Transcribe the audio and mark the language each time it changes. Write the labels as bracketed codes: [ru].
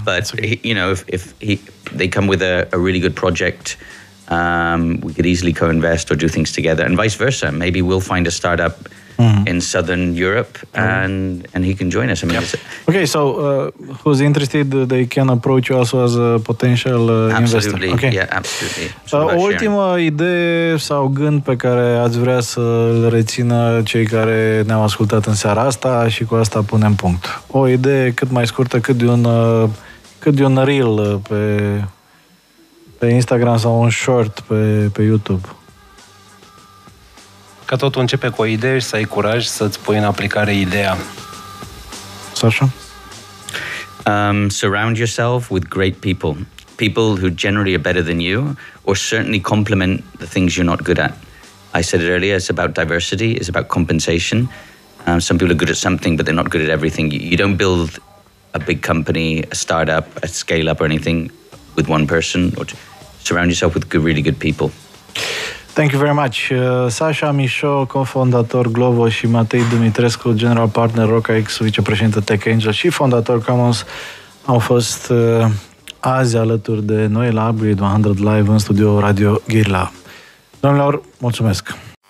[en] but okay. You know, if they come with a really good project. We could easily co-invest or do things together and vice versa. Maybe we'll find a startup in Southern Europe and he can join us. I mean, okay, so who's interested, they can approach you also as a potential investor. Absolutely, Yeah, absolutely. [ro] O ultimă idee sau gând pe care ați vrea să îl rețină cei care ne-au ascultat în seara asta și cu asta punem punct. O idee cât mai scurtă, cât de un reel pe Instagram sau un short pe YouTube. Ca totul începe cu o idee și să ai curaj să-ți pui în aplicare ideea. Sasha? [en] Surround yourself with great people. People who generally are better than you or certainly complement the things you're not good at. I said it earlier, it's about diversity, it's about compensation. Some people are good at something, but they're not good at everything. You don't build a big company, a startup, a scale-up or anything with one person or surround yourself with good, really good people. Thank you very much. [ro] Sasha Michaud, co-fondator Glovo, și Matei Dumitrescu, general partner RocaX, vicepreședinte Tech Angel și fondator Commons, au fost azi alături de noi la Upgrade 100 Live în studio Radio Ghirla. Domnilor, mulțumesc!